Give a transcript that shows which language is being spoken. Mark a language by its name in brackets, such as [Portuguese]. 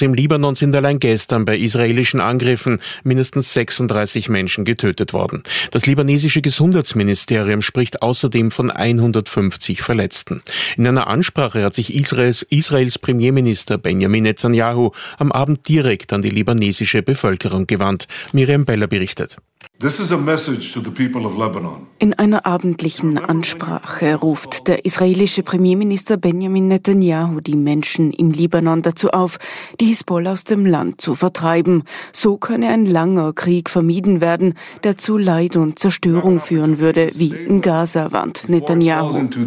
[German] Im Libanon sind allein gestern bei israelischen Angriffen mindestens 36 Menschen getötet worden. Das libanesische Gesundheitsministerium spricht außerdem von 150 Verletzten. In einer Ansprache hat sich Israels Premierminister Benjamin Netanyahu am Abend direkt an die libanesische Bevölkerung gewandt. Miriam Beller berichtet. [English] This is a message to the people of Lebanon. [German] In einer abendlichen Ansprache ruft der israelische Premierminister Benjamin Netanyahu die Menschen im Libanon dazu auf, die Hisbollah aus dem Land zu vertreiben. So könne ein langer Krieg vermieden werden, der zu Leid und Zerstörung führen würde, wie in Gaza, warnt Netanyahu.